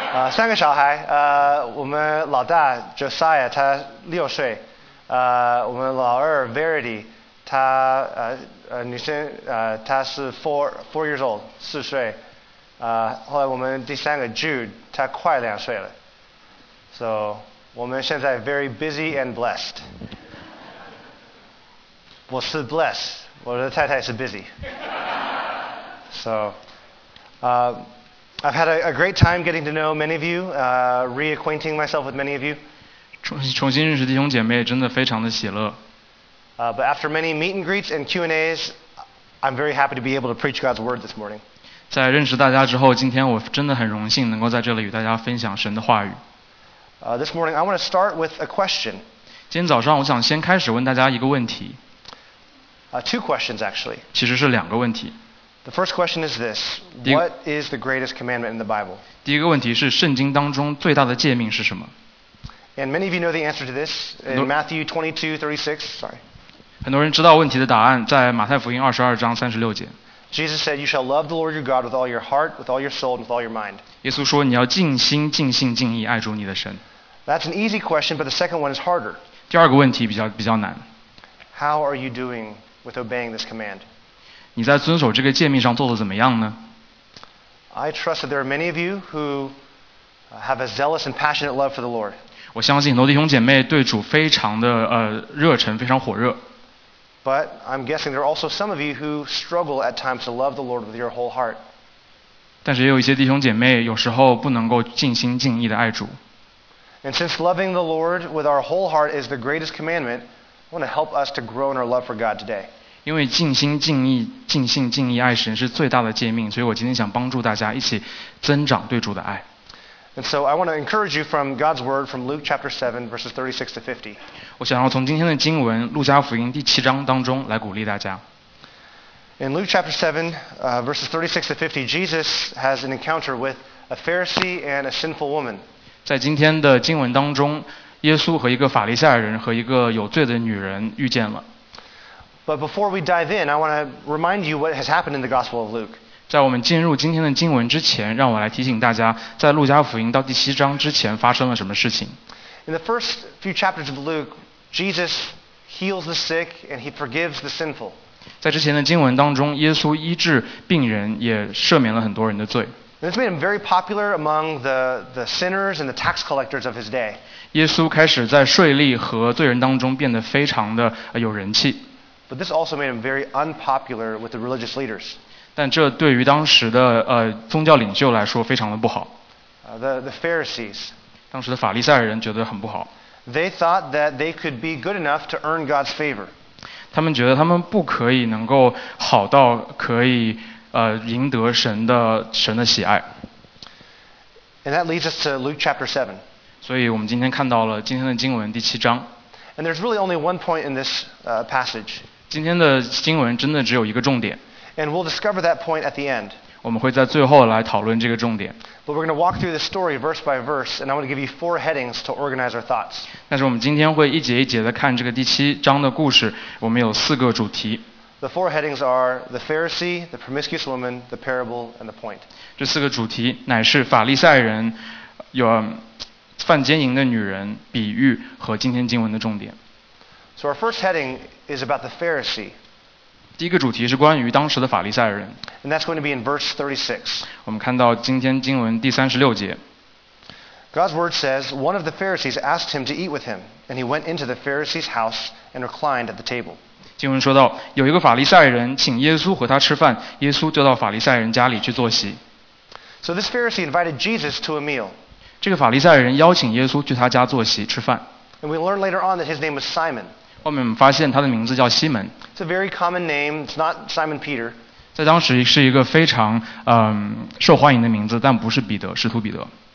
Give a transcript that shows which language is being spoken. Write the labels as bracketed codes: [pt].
[zh] 三个小孩，我们老大 Josiah 他六岁，我们老二 Verity 他女生，他是 [en] four years old [zh] 四岁，后来我们第三个 Jude 他快两岁了 ，so 我们现在 [en] very busy and blessed。 [zh] 我是 blessed， 我的太太是 busy。 [en] So， I've had a great time getting to know many of you, reacquainting myself with many of you. [zh] 重新认识弟兄姐妹真的非常的喜乐。 [en] But after many meet and greets and Q&As, I'm very happy to be able to preach God's word this morning. [zh] 在认识大家之后，今天我真的很荣幸能够在这里与大家分享神的话语。 [en] This morning, I want to start with a question. [zh] 今天早上我想先开始问大家一个问题。 [en] Two questions, actually. [zh] 其实是两个问题。 [en] The first question is this: What is the greatest commandment in the Bible? [zh] 第一个问题是圣经当中最大的诫命是什么？ [en] And many of you know the answer to this in Matthew 22:36. Sorry. [zh] 很多人知道问题的答案在马太福音22:36. [en] Jesus said, "You shall love the Lord your God with all your heart, with all your soul, and with all your mind." [zh] 耶稣说你要尽心、尽性、尽意爱主你的神。 [en] That's an easy question, but the second one is harder. [zh] 第二个问题比较难。 [en] How are you doing with obeying this command? [zh] 你在遵守这个诫命上做得怎么样呢？ [en] I trust that there are many of you who have a zealous and passionate love for the Lord. [zh] 我相信很多弟兄姐妹对主非常的热忱，非常火热。 [en] But I'm guessing there are also some of you who struggle at times to love the Lord with your whole heart. [zh] 但是也有一些弟兄姐妹有时候不能够尽心尽意的爱主。 [en] And since loving the Lord with our whole heart is the greatest commandment, I want to help us to grow in our love for God today. [zh] 因为尽心尽意尽性尽意爱神是最大的诫命，所以我今天想帮助大家一起增长对主的爱。 [en] And so I want to encourage you from God's word from Luke chapter 7 verses 36 to 50. [zh] 我想要从今天的经文路加福音第七章当中来鼓励大家。 [en] In Luke chapter 7 verses 36 to 50, Jesus has an encounter with a Pharisee and a sinful woman. [zh] 在今天的经文当中，耶稣和一个法利赛人和一个有罪的女人遇见了。 [en] But before we dive in, I want to remind you what has happened in the Gospel of Luke. [zh] 在我们进入今天的经文之前，让我来提醒大家，在路加福音到第七章之前发生了什么事情。 [en] In the first few chapters of Luke, Jesus heals the sick and he forgives the sinful. [zh] 在之前的经文当中，耶稣医治病人，也赦免了很多人的罪。 [en] And this made him very popular among the sinners and the tax collectors of his day. [zh] 耶稣开始在税吏和罪人当中变得非常的有人气。 [en] But this also made him very unpopular with the religious leaders. [zh] 但这对于当时的宗教领袖来说非常的不好。 [en] The Pharisees. [zh] 当时的法利赛人觉得很不好。 [en] They thought that they could be good enough to earn God's favor. [zh] 他们觉得他们不可以能够好到可以赢得神的喜爱。 [en] And that leads us to Luke chapter 7. [zh] 所以我们今天看到了今天的经文第七章。 [en] And there's really only one point in this passage. [zh] 今天的经文真的只有一个重点。 [en] And we'll discover that point at the end. [zh] 我们会在最后来讨论这个重点。 [en] But we're going to walk through the story verse by verse, and I want to give you four headings to organize our thoughts. [zh] 但是我们今天会一节一节的看这个第七章的故事，我们有四个主题。 [en] The four headings are the Pharisee, the promiscuous woman, the parable, and the point. [zh] 这四个主题乃是法利赛人、有犯奸淫的女人、比喻和今天经文的重点。 [en] So our first heading is about the Pharisee. [zh] 第一个主题是关于当时的法利赛人。 [en] And that's going to be in verse 36. [zh] 我们看到今天经文第36节。 [en] God's word says, one of the Pharisees asked him to eat with him, and he went into the Pharisee's house and reclined at the table. [zh] 经文说到，有一个法利赛人请耶稣和他吃饭，耶稣就到法利赛人家里去坐席。 [en] So this Pharisee invited Jesus to a meal. [zh] 这个法利赛人邀请耶稣去他家坐席吃饭。 [en] And we learn later on that his name was Simon. [zh] 后面我们发现他的名字叫西门。 [en] It's a very common name. It's not Simon Peter. [zh] 在当时是一个非常受欢迎的名字，但不是彼得，使徒彼得。